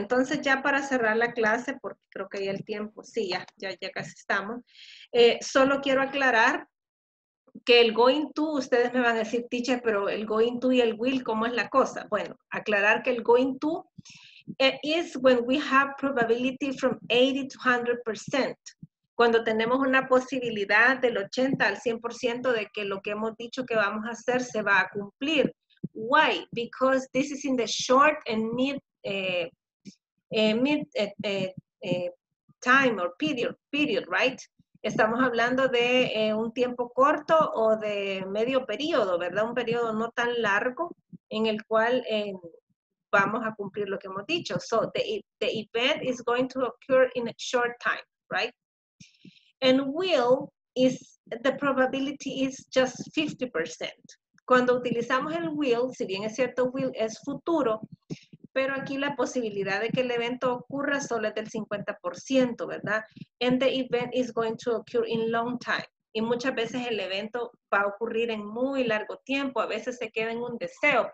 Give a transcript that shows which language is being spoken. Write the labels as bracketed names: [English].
[Spanish] Entonces ya para cerrar la clase, porque creo que ya el tiempo, sí, ya casi estamos, solo quiero aclarar que el going to, ustedes me van a decir, teacher, pero el going to y el will, ¿cómo es la cosa? Bueno, aclarar que el [English] going to, it is when we have probability from 80 to 100%. [Spanish] Cuando tenemos una posibilidad del 80 al 100% de que lo que hemos dicho que vamos a hacer se va a cumplir. [English] Why? Because this is in the short and mid time or period, right? [Spanish] Estamos hablando de un tiempo corto o de medio periodo, ¿verdad? Un periodo no tan largo en el cual vamos a cumplir lo que hemos dicho. [English] So the event is going to occur in a short time, right? And will is, the probability is just 50%. [Spanish] Cuando utilizamos el will, si bien es cierto, will es futuro, pero aquí la posibilidad de que el evento ocurra solo es del 50%, ¿verdad? [English] And the event is going to occur in long time. [Spanish] Y muchas veces el evento va a ocurrir en muy largo tiempo. A veces se queda en un deseo.